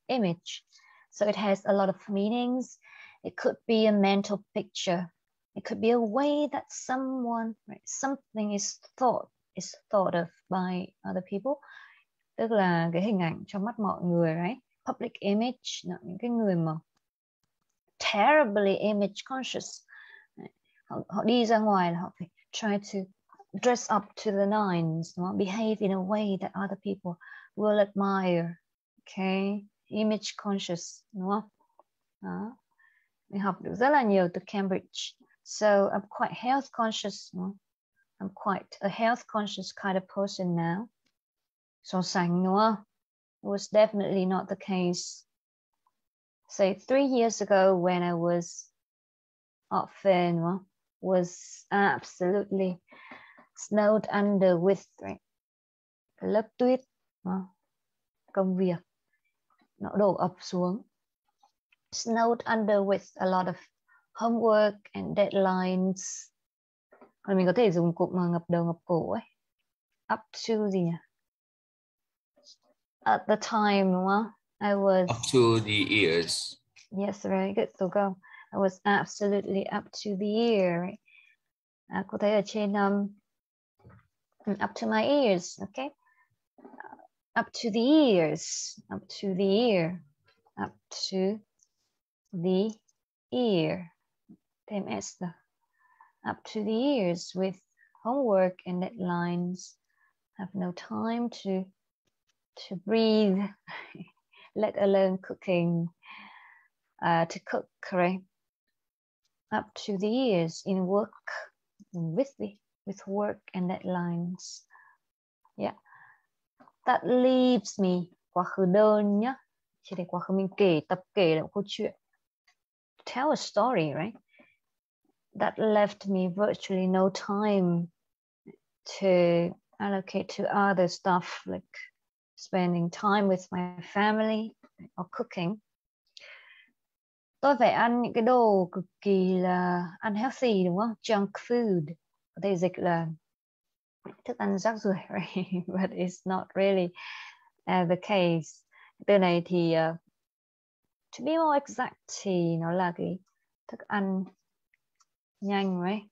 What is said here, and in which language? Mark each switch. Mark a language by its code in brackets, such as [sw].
[en] Image, so it has a lot of meanings. It could be a mental picture, it could be a way that someone, right, something is thought of by other people, [vi] tức là cái hình ảnh trong mắt mọi người, [en] right? Public image, [vi] những cái người mà [en] terribly image conscious. [vi] Họ đi ra ngoài là họ phải [en] try to dress up to the nines, right? Behave in a way that other people will admire. Okay, image conscious, right? Đó. [vi] Mình học được rất là nhiều từ Cambridge. [en] So I'm quite health conscious, right? I'm quite a health conscious kind of person now. [vi] So sánh đúng không? [en] It was definitely not the case. Say 3 years ago when I was up there, no? Was absolutely snowed under with rain. [vi] Lớp tuyết, no? Công việc, nó đổ ập xuống. [en] Snowed under with a lot of homework and deadlines. [vi] Còn mình có thể dùng cụm mà ngập đầu ngập cổ ấy. [en] Up to [vi] gì nhỉ? [en] At the time, no? I was up to the ears. Yes, very good. So go. I was absolutely up to the ear. À, [vi] có thể ở trên [en] up to my ears, okay? Up to the ears, up to the ear, up to the ear. [vi] Thêm S đó. [en] Up to the ears with homework and deadlines. Have no time to breathe. Let alone cooking, to cook, right? Up to the ears in work, with work and deadlines. Yeah. That leaves me, [vi] quá khứ đơn nhá. Chỉ để quá khứ mình kể, tập kể lại câu chuyện. [en] Tell a story, right? That left me virtually no time to allocate to other stuff, like spending time with my family or cooking. [vi] Tôi phải ăn những cái đồ cực kỳ là unhealthy đúng không? Junk food. Có thể dịch là thức ăn rác rưởi, right? [en] But it's not really the case. [vi] Từ này thì [en] to be more exact [vi] thì nó là cái thức ăn nhanh, [en] right?